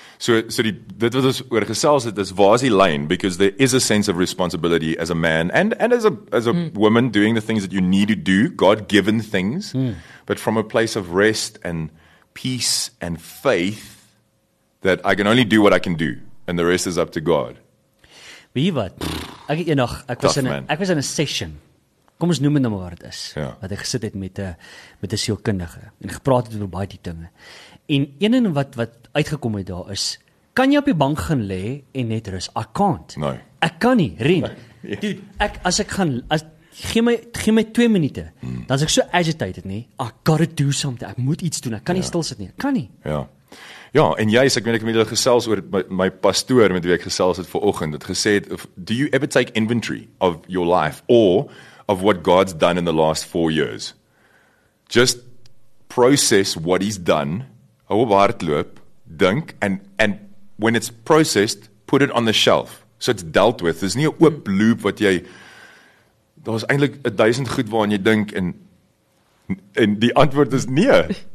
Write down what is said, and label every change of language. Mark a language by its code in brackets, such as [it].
[af] So die, dit wat ons oor gesels het, is waar is die lyn, [en] because there is a sense of responsibility as a man and as a woman doing the things that you need to do, God-given things, but from a place of rest and peace and faith that I can only do what I can do and the rest is up to God. [af] Wie wat? Ek het eendag, ek was [en] in a session. [af] Kom ons noem het nou maar waar het is, wat ek gesit het met een sielkundige, en gepraat het oor baie die dinge. En ene wat uitgekom het daar is, kan jy op die bank gaan lê en net rus? [en] I can't. No. [af] Ek kan nie, Ren. Nee. Dude, as ek gee my 2 minute, dan is ek so agitated, nie? [en] I gotta do something, [af] ek moet iets doen, ek kan nie stilsit nie, ek kan nie. Ja. Ja, en juist, ek weet ek met julle gesels oor my pastoor met wie ek gesels het vanoggend, het gesê het, [en] do you ever take inventory of your life, or of what God's done in the last 4 years. Just process what he's done, [af] hou op hardloop, dink, [en] and when it's processed, put it on the shelf. So it's dealt with. [af] There's nie 'n oop loop wat jy, daar is eintlik 1000 goed waaraan jy dink, en die antwoord is nee.